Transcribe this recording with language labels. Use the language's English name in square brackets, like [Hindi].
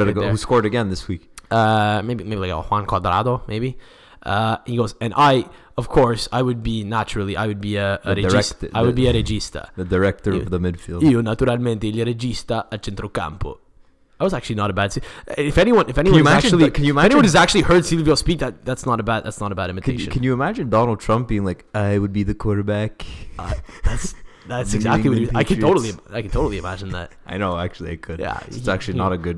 [English] Who scored again this week? Maybe like a Juan Cuadrado. Maybe. He goes, and I would be a regista. The director of the midfield. [Italian] Io naturalmente il regista a centrocampo. [English] That was actually not a bad. If anyone has actually heard Silvio speak, that's not a bad imitation. Can you imagine Donald Trump being like, I would be the quarterback? That's exactly what he, I could totally imagine that. I know, actually, I could. Yeah, it's not a good.